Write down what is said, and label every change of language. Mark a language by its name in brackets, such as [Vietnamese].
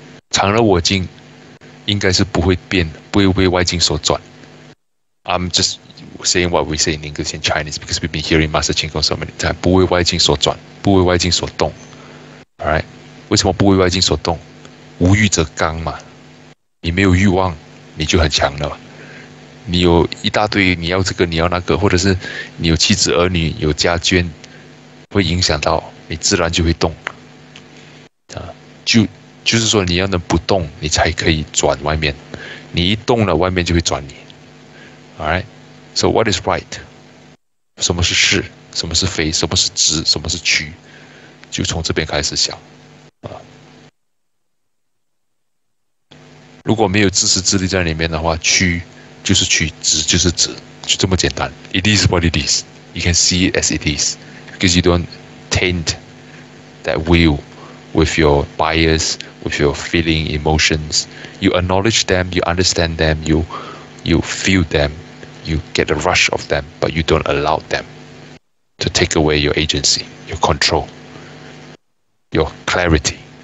[Chinese] 常乐我净应该是不会变, 不会被外境所转. [English] I'm just saying what we say in English and Chinese because we've been hearing Master Qing Kong so many times. [Chinese] 不为外境所转, 不为外境所动. [English] Alright? [Chinese] 为什么不为外境所动? 无欲则刚嘛, 你没有欲望, 你就很强了, 你有一大堆你要这个, 你要那个, 或者是你有妻子儿女, 有家眷, 会影响到, 你自然就会动, 就是说你要能不动，你才可以转外面。你一动了，外面就会转你。 [English] All right. So what is right? [Chinese] 什么是是？什么是非？什么是直？什么是曲？就从这边开始想。如果没有自私自利在里面的话，曲就是曲，直就是直，就这么简单。 [English] It is what it is. You can see it as it is, because you don't taint that will with your bias, with your feeling, emotions. You acknowledge them, you understand them, you feel them, you get a rush of them, but you don't allow them to take away your agency, your control, your clarity.